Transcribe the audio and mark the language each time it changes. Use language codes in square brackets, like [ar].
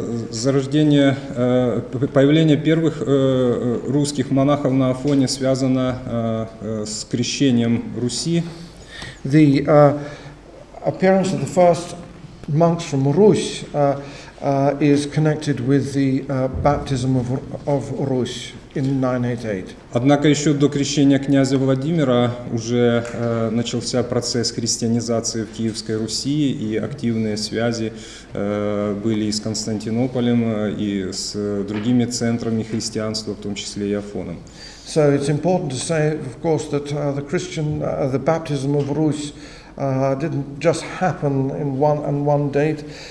[ru] Зарождение, появление первых русских монахов на Афоне связано с крещением Руси. [en] The appearance of the first monks from Rus is connected with the baptism of Rus. In 988. [ru] Однако еще до крещения князя Владимира уже начался процесс христианизации в Киевской Руси, и активные связи были и с Константинополем, и с другими центрами христианства, в том числе и Афоном. [en] So it's important to say, of course, that the baptism of Rus didn't just happen in one date.